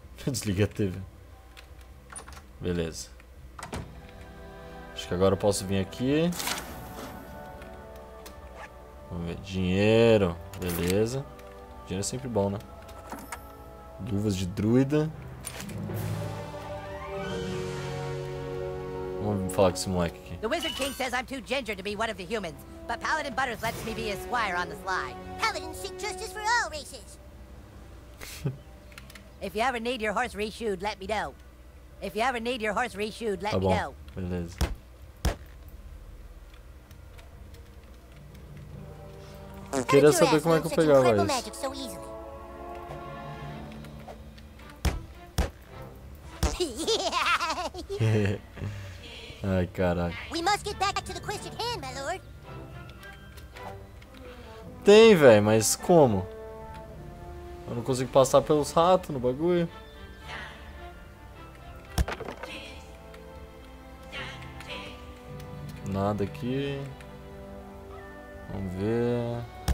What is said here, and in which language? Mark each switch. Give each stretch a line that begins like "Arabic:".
Portuguese: Desliguei a TV. Beleza. Acho que agora eu posso vir aqui. Vamos ver. Dinheiro. Beleza. Dinheiro é sempre bom, né? Luvas de druida. Vamos falar com esse moleque aqui.
English: The Wizard King says I'm too ginger to be one of the humans, but Paladin Butters lets me be a squire on the sly. Paladins seek justice for all races. If you ever need your horse reshoed, let me know. If you ever need your horse reshoed, let me know.
Portuguese: Beleza. Eu queria saber como é que eu pegava isso. Ai, caralho.
English: We must get back to the quest at hand, my lord.
Portuguese: Tem, velho, mas como? Eu não consigo passar pelos ratos no bagulho. Nada aqui. Vamos ver.